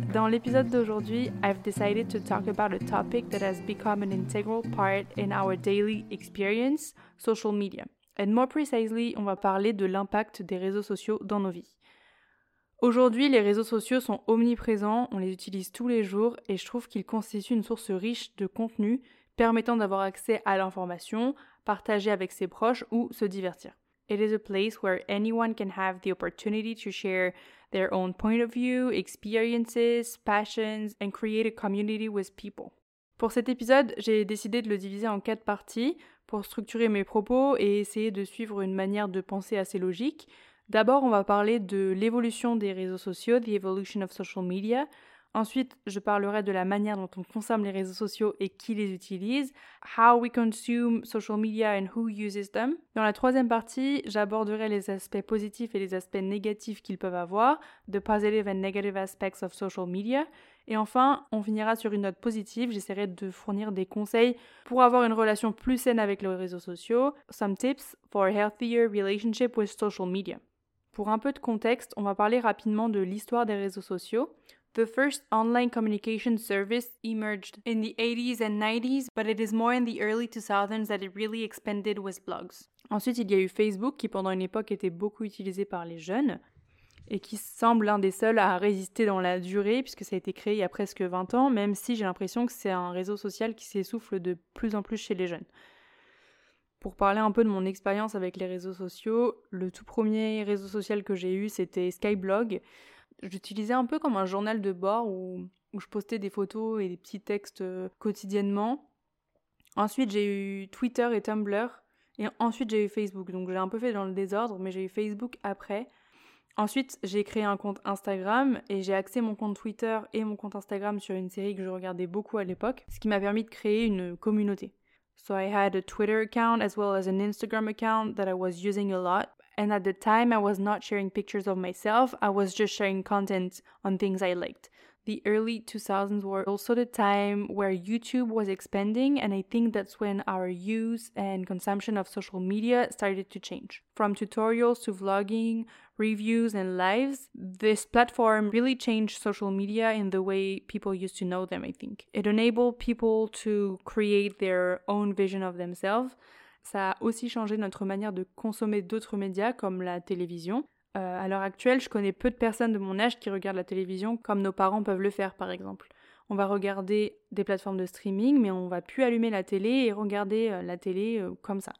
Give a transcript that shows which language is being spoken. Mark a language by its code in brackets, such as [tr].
[fr] Dans l'épisode d'aujourd'hui, [en] I've decided to talk about a topic that has become an integral part in our daily experience, social media. And more precisely, [fr] on va parler de l'impact des réseaux sociaux dans nos vies. Aujourd'hui, les réseaux sociaux sont omniprésents, on les utilise tous les jours et je trouve qu'ils constituent une source riche de contenu permettant d'avoir accès à l'information, partager avec ses proches ou se divertir. [en] It is a place where anyone can have the opportunity to share their own point of view, experiences, passions, and create a community with people. [fr] Pour cet épisode, j'ai décidé de le diviser en quatre parties pour structurer mes propos et essayer de suivre une manière de penser assez logique. D'abord, on va parler de l'évolution des réseaux sociaux, [en] the evolution of social media. [fr] Ensuite, je parlerai de la manière dont on consomme les réseaux sociaux et qui les utilise, [en] how we consume social media and who uses them. [fr] Dans la troisième partie, j'aborderai les aspects positifs et les aspects négatifs qu'ils peuvent avoir, [en] the positive and negative aspects of social media. [fr] Et enfin, on finira sur une note positive, j'essaierai de fournir des conseils pour avoir une relation plus saine avec les réseaux sociaux, [en] some tips for a healthier relationship with social media. [fr] Pour un peu de contexte, on va parler rapidement de l'histoire des réseaux sociaux. [en] The first online communication service emerged in the 80s and 90s, but it is more in the early 2000s that it really expanded with blogs. [fr] Ensuite, il y a eu Facebook, qui pendant une époque était beaucoup utilisé par les jeunes, et qui semble l'un des seuls à résister dans la durée, puisque ça a été créé il y a presque 20 ans, même si j'ai l'impression que c'est un réseau social qui s'essouffle de plus en plus chez les jeunes. Pour parler un peu de mon expérience avec les réseaux sociaux, le tout premier réseau social que j'ai eu, c'était Skyblog. J'utilisais un peu comme un journal de bord où je postais des photos et des petits textes quotidiennement. Ensuite, j'ai eu Twitter et Tumblr. Et ensuite, j'ai eu Facebook. Donc, j'ai un peu fait dans le désordre, mais j'ai eu Facebook après. Ensuite, j'ai créé un compte Instagram et j'ai axé mon compte Twitter et mon compte Instagram sur une série que je regardais beaucoup à l'époque, ce qui m'a permis de créer une communauté. [en] So I had a Twitter account as well as an Instagram account that I was using a lot. And at the time, I was not sharing pictures of myself, I was just sharing content on things I liked. The early 2000s were also the time where YouTube was expanding, and I think that's when our use and consumption of social media started to change. From tutorials to vlogging, reviews and lives, this platform really changed social media in the way people used to know them, I think. It enabled people to create their own vision of themselves. [fr] Ça a aussi changé notre manière de consommer d'autres médias comme la télévision. À l'heure actuelle, je connais peu de personnes de mon âge qui regardent la télévision comme nos parents peuvent le faire par exemple. On va regarder des plateformes de streaming mais on va plus allumer la télé et regarder la télé comme ça.